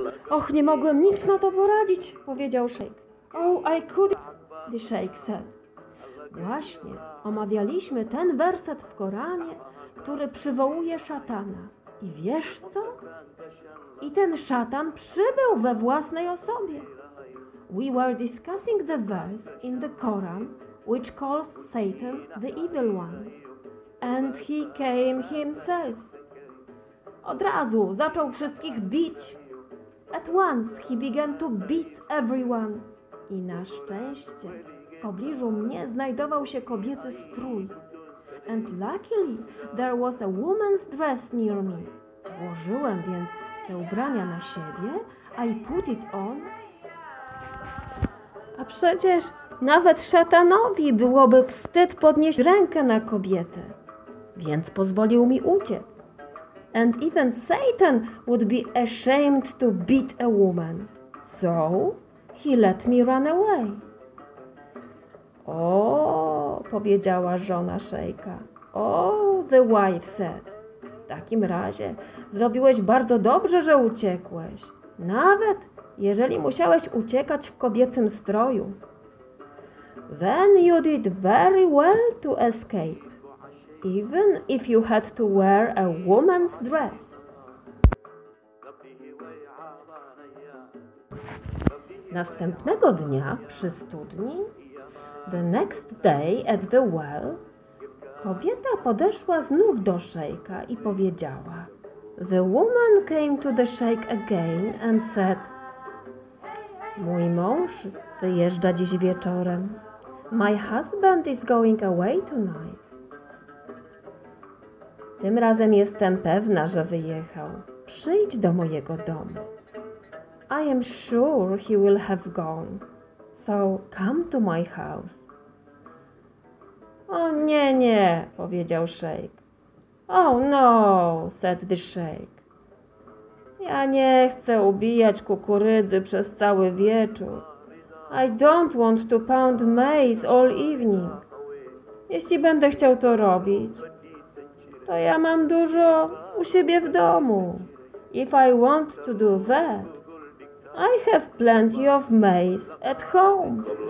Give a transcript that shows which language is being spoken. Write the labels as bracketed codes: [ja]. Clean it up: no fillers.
[pl] Och, nie mogłem nic na to poradzić, powiedział szejk. [en] Oh, I couldn't, the sheikh said. [pl] Właśnie omawialiśmy ten werset w Koranie, który przywołuje szatana. I wiesz co? I ten szatan przybył we własnej osobie. [en] We were discussing the verse in the Quran, which calls Satan the evil one. And he came himself. [pl] Od razu zaczął wszystkich bić. [en] At once he began to beat everyone. [pl] I na szczęście w pobliżu mnie znajdował się kobiecy strój. [en] And luckily there was a woman's dress near me. [pl] Włożyłem więc te ubrania na siebie. [en] I put it on. [pl] A przecież nawet szatanowi byłoby wstyd podnieść rękę na kobietę. Więc pozwolił mi uciec. [en] And even Satan would be ashamed to beat a woman. So he let me run away. [pl] O, powiedziała żona szejka. O, [en] the wife said. [pl] W takim razie zrobiłeś bardzo dobrze, że uciekłeś. Nawet jeżeli musiałeś uciekać w kobiecym stroju. [en] Then you did very well to escape. Even if you had to wear a woman's dress. [pl] Następnego dnia przy studni, [en] the next day at the well, [pl] kobieta podeszła znów do szejka i powiedziała. [en] The woman came to the sheikh again and said, [pl] mój mąż wyjeżdża dziś wieczorem. [en] My husband is going away tonight. [pl] Tym razem jestem pewna, że wyjechał. Przyjdź do mojego domu. [en] I am sure he will have gone. So come to my house. [pl] O nie, nie, powiedział szejk. [en] Oh no, said the sheikh. [pl] Ja nie chcę ubijać kukurydzy przez cały wieczór. [en] I don't want to pound maize all evening. [pl] Jeśli będę chciał to robić, to ja mam dużo u siebie w domu. [en] If I want to do that, I have plenty of maize at home.